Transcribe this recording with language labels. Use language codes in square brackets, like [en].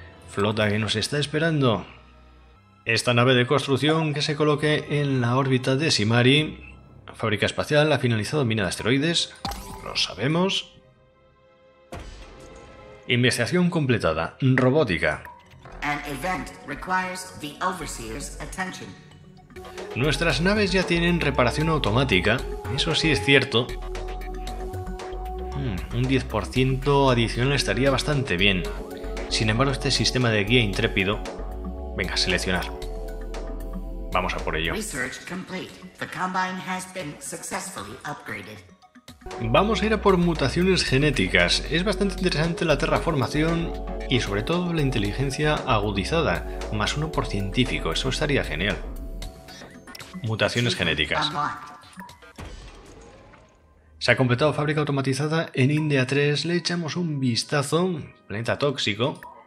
[es] Flota que nos está esperando. Esta nave de construcción que se coloque en la órbita de Simari. Fábrica espacial, ha finalizado mina de asteroides, lo sabemos. Investigación completada. Robótica. [en] An event requires the overseer's attention. [es] Nuestras naves ya tienen reparación automática. Eso sí es cierto. Un 10% adicional estaría bastante bien. Sin embargo, este sistema de guía intrépido... Venga, seleccionar. Vamos a por ello. [en] Research complete. The combine has been successfully upgraded. [es] Vamos a ir a por mutaciones genéticas. Es bastante interesante la terraformación y sobre todo la inteligencia agudizada. Más uno por científico, eso estaría genial. Mutaciones genéticas. Se ha completado fábrica automatizada en India 3. Le echamos un vistazo. Planeta tóxico.